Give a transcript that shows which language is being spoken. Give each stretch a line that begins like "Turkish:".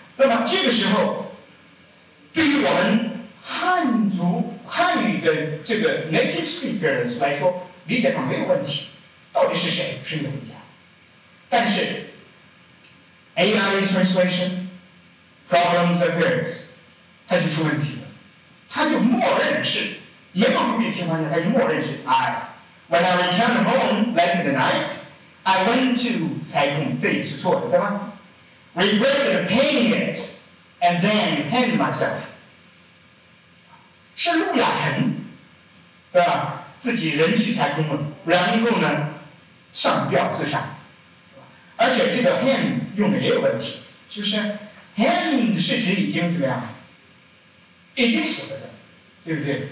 Chinese: 那么这个时候，对于我们汉语的这个
English: native speakers
Chinese: 来说，理解上没有问题。到底是谁深夜回家？但是。
English: AI's translation problems occurs，
Chinese: 它就出问题了。它就默认是没有注意的情况下，它就默认是 I。
English: When I returned home late in the night, I went to
Chinese: 裁缝，这也是错的，对吧
English: ？Regretted paying it and then hanged myself。
Chinese: 是陆亚辰，对吧？自己人去裁缝了，然后呢，上吊自杀。而且这个 hand 用的也有问题，就是 hand 是指已经怎么样，已经死了的，对不对？